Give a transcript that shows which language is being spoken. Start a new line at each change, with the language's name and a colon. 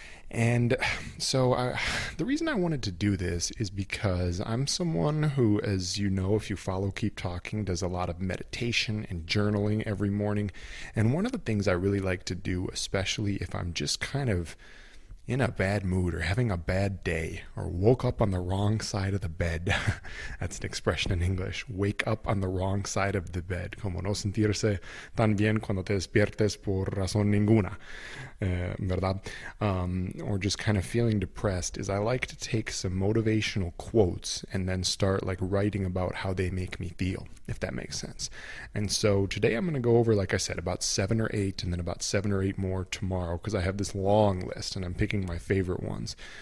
English: And so the reason I wanted to do this is because I'm someone who, as you know, if you follow Keep Talking, does a lot of meditation and journaling every morning. And one of the things I really like to do, especially if I'm just kind of in a bad mood or having a bad day or woke up on the wrong side of the bed. That's an expression in English. Wake up on the wrong side of the bed.
Spanish: Como no sentirse tan bien cuando te despiertes por razón ninguna. ¿Verdad?
English: Or just kind of feeling depressed is I like to take some motivational quotes and then start like writing about how they make me feel, if that makes sense. And so today I'm going to go over, like I said, about seven or eight and then about seven or eight more tomorrow because I have this long list and I'm picking my favorite ones.